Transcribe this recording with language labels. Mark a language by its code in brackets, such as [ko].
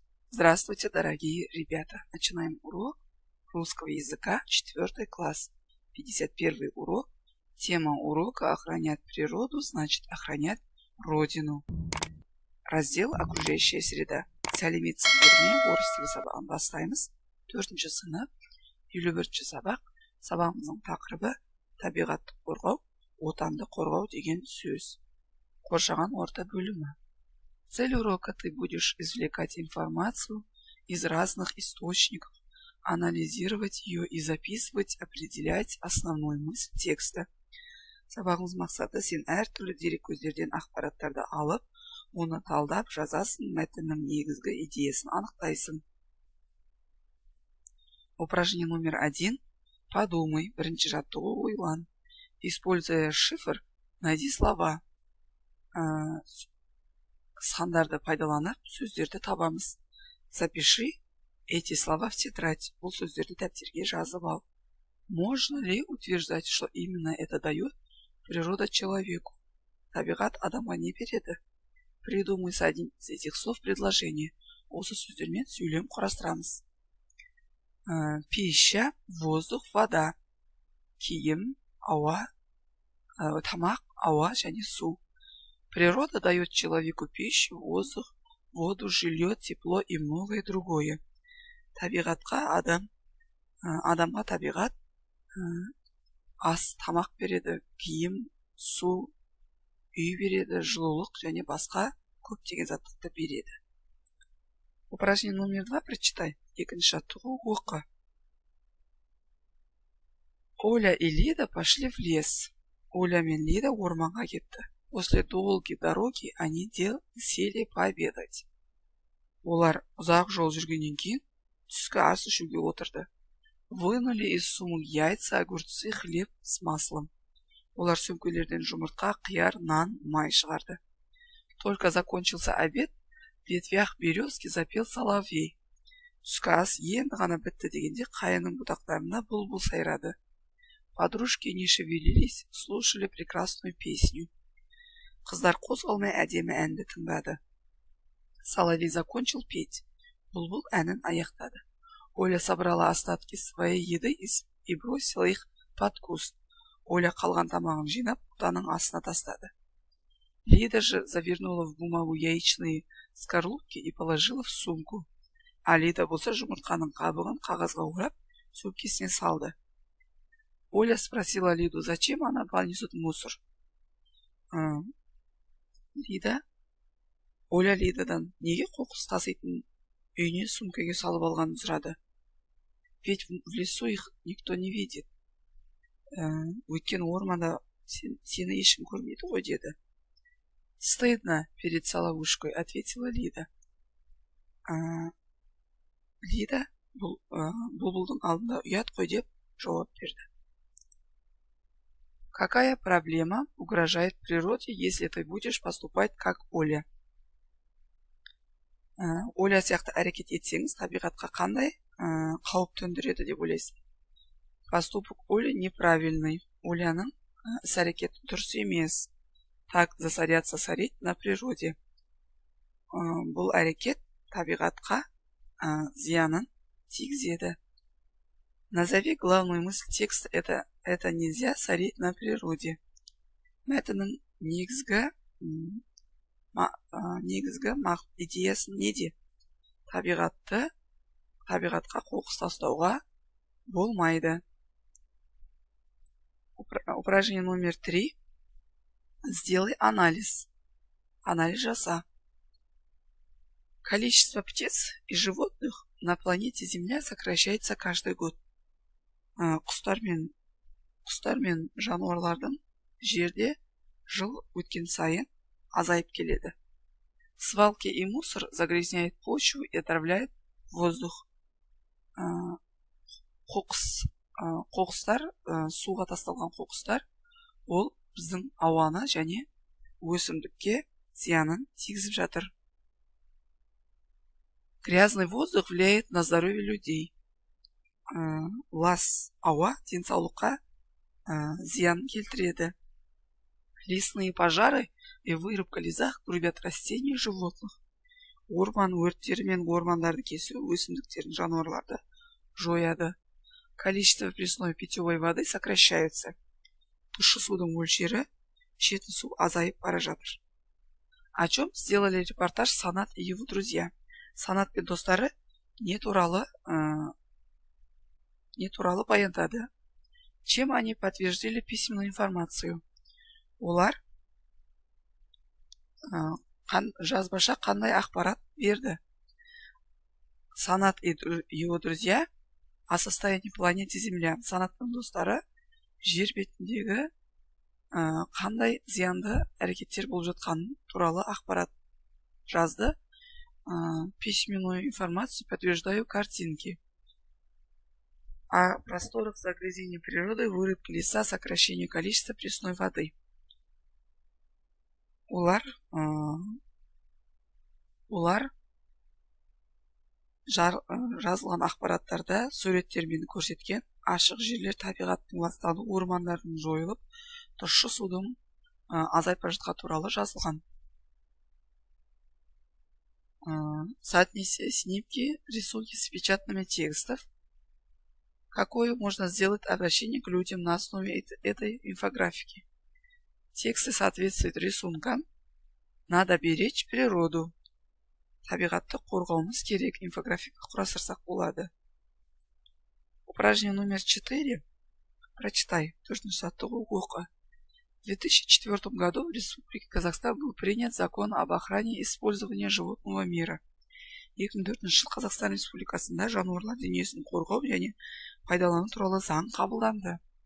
[ru] Здравствуйте, дорогие ребята! Начинаем урок русского языка, 4 класс, 51 урок. Тема урока «Охранять природу» значит «Охранять Родину». Раздел «Окружающая среда». [kk] Сәлеметсіз бе? Орыс сабағын бастаймыз. 4-ші сынып, 51-ші сабақ. Сабағымыздың тақырыбы «Табиғатты қорғау», «Отанды қорғау» деген сөз. Қоршаған орта бөлімі. [ru] Цель урока – ты будешь извлекать информацию из разных источников, анализировать ее и записывать, определять основную мысль текста. [kk] Сабағымыз мақсаты – сен әртүрлі дереккөздерден ақпараттарды алып, оны талдап, жазасын, мәтіннің негізгі идеясын анықтайсын. [ru] Упражнение номер один. Подумай. [kk] Бірінші жаттығу ойлан. [ru] Используя шифр, найди слова. [kk] Сандарды пайдаланып, сөздерді табамыз. [ru] Запиши эти слова в тетрадь. [kk] Бұл сөздерді дәптерге жазып ал. [ru] Можно ли утверждать, что именно это дает природа человеку? [kk] Табиғат адамға не береді? [ru] Придумай с одним из этих слов предложение. [kk] Осы сөздермен сөйлем құрастырамыз. [ru] Пища, воздух, вода. [kk] Киім, ауа, тамақ, ауа, және су. [ru] Природа дает человеку пищу, воздух, воду, жилье, тепло и многое другое. [kk] Табиғатқа адам, адамға табиғат ас, тамақ береді, киім, су, үй береді, жылулық және басқа көп деген заттықты береді. [ru] Упражнение номер два прочитай. [kk] Екінші жаттығу оқы. [ru] Оля и Лида пошли в лес. [kk] Оля мен Лида орманға кетті. [ru] После долгой дороги они сели пообедать. [kk] Олар ұзақ жол жүргеннен кейін түскі ас ішуге отырды. [ru] Вынули из сумок яйца, огурцы, хлеб с маслом. [kk] Олар сөмкелерден жұмыртқа, қияр, нан, май шығарды. [ru] Только закончился обед, в ветвях березки запел соловей. [kk] Түскі ас енді ғана бітті дегенде қаяның бұтақтарына бұлбұл сайрады. [ru] Подружки не шевелились, слушали прекрасную песню. [kk] Қыздар қозғалмай әдемі әнді тыңдады. [ru] Соловей закончил петь. [kk] Бұлбұл әнін аяқтады. [ru] Оля собрала остатки своей еды и бросила их под куст. [kk] Оля қалған тамағын жинап, бұтаның астына тастады. [ru] Лида же завернула в бумагу яичные скорлупки и положила в сумку. [kk] А Лида болса жұмыртқаның қабығын қағазға орап, сөмкесіне салды. [ru] Оля спросила Лиду, зачем она понесет мусор. [kk] Лида, Оля Лидадан, неге қоқыс тасайтын үйіне сумкеге салып алғанын сұрады. [ru] Ведь в лесу их никто не видит. [kk] Өйткен орманда сені ешкім көрмейді ғой, деді. [ru] Стыдно перед соловушкой, ответила Лида. [kk] Лида бұлбұлдың алдында ұят қой, деп жауап берді. [ru] Какая проблема угрожает природе, если ты будешь поступать как Оля? [kk] Оля сияқты әрекет етсеңіз, табиғатқа қандай қауіп төндіреді, деп ойлайсыз. [ru] Поступок Оли неправильный. [kk] Оляның әрекеті дұрыс емес. [ru] Так засорят, сорить на природе. [kk] Бұл әрекет табиғатқа зиянын тигізеді. [ru] Назови главную мысль текста. Это нельзя сорить на природе. [kk] Мәтіннің негізгі идеясы неде? Табиғатқа қоқыс тастауға болмайды. [ru] Упражнение номер три. Сделай анализ. [kk] Анализ жаса. [ru] Количество птиц и животных на планете Земля сокращается каждый год. [kk] Құстар мен жануарлардың жерде жыл өткен сайын азайып келеді. [ru] Свалки и мусор загрязняет почву и отравляет воздух. [kk] Қоқыстар, суға тасталған қоқыстар, ол біздің ауаны және өсімдікке зиянын тигізіп жатыр. [ru] Грязный воздух влияет на здоровье людей. [kk] Лас ауа денсаулыққа зиян келтіреді. [ru] Лесные пожары и вырубка леса грубят растения и животных. [kk] Орман өрттері мен ормандарды кесу өсімдіктерін жануарларды жояды. [ru] Количество пресной питьевой воды сокращается. [kk] Тұщы судың мөлшері, ішетін су азайып бара жатыр. [ru] О чем сделали репортаж Санат и его друзья? [kk] Санат пен достары не туралы баяндады. [ru] Чем они подтвердили письменную информацию? [kk] Олар жазбаша қандай ақпарат берді. [ru] Санат и его друзья о состоянии планеты Земля. [kk] Санат пен достары жер бетіндегі қандай зиянды әрекеттер болып жатқанын туралы ақпарат жазды. [ru] Письменную информацию подтверждаю картинки. О просторах загрязнения природы, вырубки леса, сокращение количества пресной воды. [kk] Улар жазылған ақпараттарда суреттер мен көрсеткен ашық жерлер табиғаттың ластану ормандарын жойылып, тұщы судың азайып жатқаны туралы жазылған. [ru] Соотнеся снимки, рисунки с печатными текстов. Какое можно сделать обращение к людям на основе этой инфографики? Тексты соответствуют рисункам. Надо беречь природу. [kk] Табиғатты қорғауымыз керек. Инфографика құрастырсақ болады. [ru] Упражнение номер 4. Прочитай. [kk] Тұрдың саттығы оқы. [ru] В 2004 году в Республике Казахстан был принят закон об охране использования животного мира. [kk] 2004 жыл Казахстан Республикасында жануарлар дүниесін қорғау және пайдалану туралы заң қабылданды.